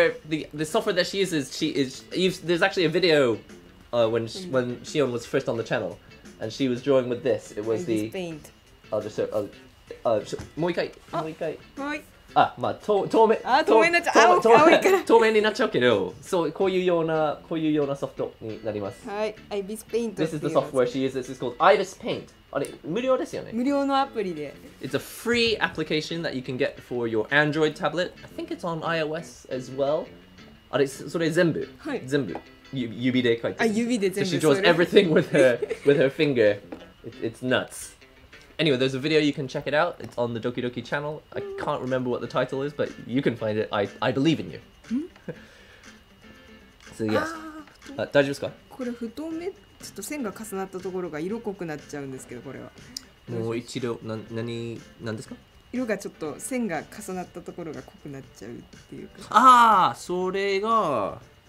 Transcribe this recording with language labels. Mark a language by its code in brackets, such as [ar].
[en] The software that she uses, there's actually a video when Shion was first on the channel. And she was drawing with this. It was Ibis Paint. [ja] もう一回。あ、まあ、透明になっちゃうけど、こういうようなソフトになります。はい、Ibis [en] This is the software she uses. It's called Ibis Paint. [ja] あれ、無料ですよね。無料のアプリで。 [en] It's a free application that you can get for your Android tablet. I think it's on iOS as well. [ja] あれ、それ全部。はい。全部。指で描いてる。あ、指で全部。 [en] So she draws everything with her finger. It's nuts. Anyway, there's a video you can check it out. It's on the Doki Doki channel. I can't remember what the title is, but you can find it. I believe in you. So yes. [ja] 大丈夫ですか?これ太めちょっと線が重なったところが色濃くなっちゃうんですけど、これは。もう一度、何ですか?色がちょっと線が重なったところが濃くなっちゃうっていうか。ああ、それが…